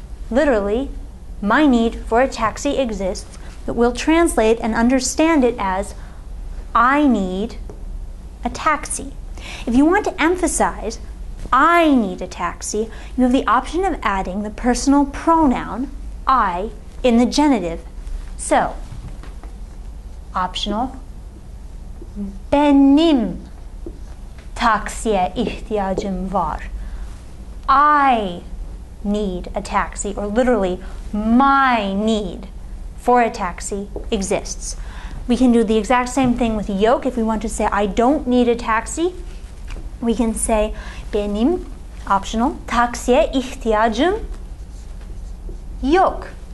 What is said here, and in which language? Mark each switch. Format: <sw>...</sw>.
<en>Literally, my need for a taxi exists, but we'll translate and understand it as I need a taxi. If you want to emphasize I need a taxi, you have the option of adding the personal pronoun I in the genitive. So, optional,</en> <tr>benim taksiye ihtiyacım var.</tr> <en>I need a taxi, or literally, my need for a taxi exists. We can do the exact same thing with yok. If we want to say I don't need a taxi, we can say</en> <tr>benim,</tr> <en>optional,</en> <tr>taksiye ihtiyacım yok.</tr>